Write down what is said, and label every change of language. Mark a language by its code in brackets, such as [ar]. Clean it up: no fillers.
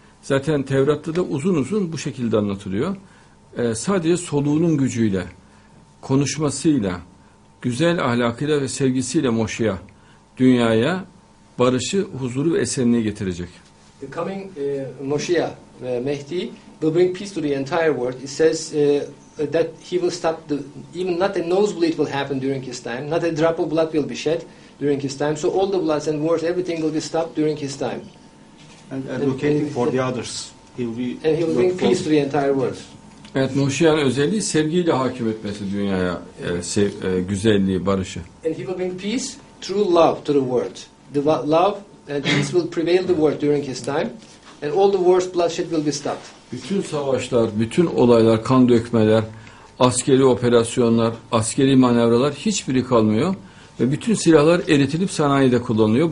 [tr] Zaten Tevrat'ta da uzun uzun bu şekilde anlatılıyor. Sadece soluğunun gücüyle, konuşmasıyla, güzel ahlakıyla ve sevgisiyle Moşiyah dünyaya barışı, huzuru ve esenliği getirecek. [en] The coming Moşiyah, Mehdi, will bring peace to the entire world. It says that he will stop the, even not a nosebleed will happen during his time, not a drop of blood will be shed. During his time, so all the bloods and wars, everything will be stopped during his time. and advocating for the others. He will bring peace to the entire world. [tr] Evet, Noşiyan özelliği sevgiyle hakim etmesi dünyaya, güzelliği, barışı. [en] And he will bring peace through love to the world. The love and peace will prevail the world during his time, and all the world's bloodshed will be stopped. [tr] Bütün savaşlar, bütün olaylar, kan dökmeler, askeri operasyonlar, askeri manevralar hiçbiri kalmıyor ve bütün silahlar eritilip sanayide kullanılıyor.